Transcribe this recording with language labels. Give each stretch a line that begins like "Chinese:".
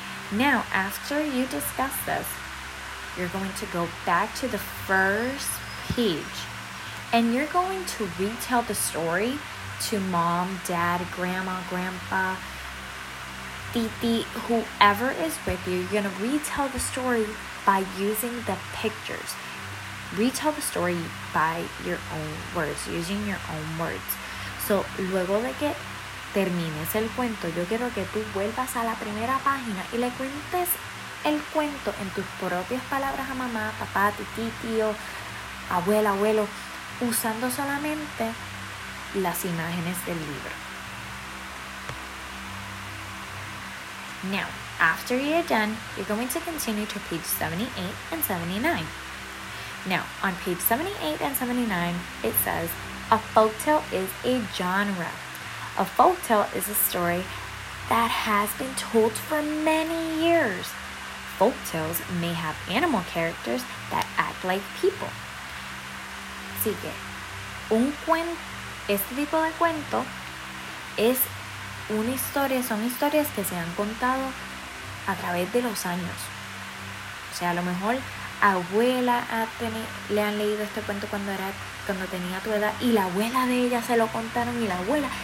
English: Now, after you discuss this, you're going to go back to the first page and you're going to retell the story to mom, dad, grandma, grandpa, Titi, whoever is with you. You're going to retell the story by using the pictures. Retell the story by your own words, using your own words.
Spanish: So, luego de que termines el cuento, yo quiero que tú vuelvas a la primera página y le cuentes el cuento en tus propias palabras a mamá, papá, tití, tío, abuela, abuelo, usando solamente las imágenes del libro.
English: Now, after you're done, you're going to continue to page 78 and 79. Now, on page 78 and 79, it says, a folktale is a genre. A folktale is a story that has been told for many years. Folktales may have animal characters that act like people.
Spanish: Sigue. Un cuento, este tipo de cuento, es una historia, son historias que se han contado a través de los años. O sea, a lo mejor abuela le han leído este cuento cuando era, cuando tenía tu edad, y la abuela de ella se lo contaron, y la abuela.